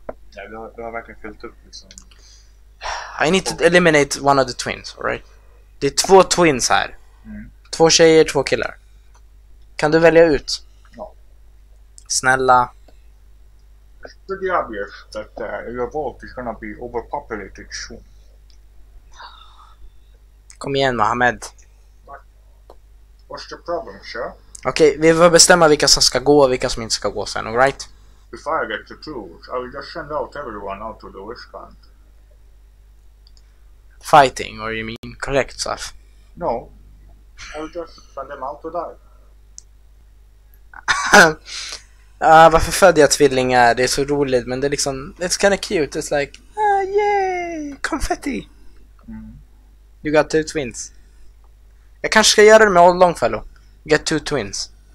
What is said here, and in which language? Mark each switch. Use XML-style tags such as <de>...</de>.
<sv>Ja, du har verkligen fyllt upp liksom.</sv> <en>I need to eliminate one of the twins, alright?</en> <sv>Det är två twins här. Mm. Två tjejer, två killar. Kan du välja ut? Ja. Snälla.</sv> <en>It's pretty obvious that your vault is gonna be overpopulated soon.</en> <sv>Kom igen, Mohammed.</sv> <en>What's the problem, sir?</en> <sv>Okej, vi får bestämma vilka som ska gå och vilka som inte ska gå sen,</sv> <en>alright? If I get the tools, I will just send out everyone out to the wristband. Fighting, or you mean correct stuff? No, I'll just send them out to die.</en> <sv>Varför födde jag tvillingar? Det är så roligt, men det är liksom,</sv> <en>it's kind of cute. It's like, yay, confetti. Mm. You got two twins.</en> <sv>Jag kanske ska göra det med Old Longfellow.</sv> <en>Get two twins.</en>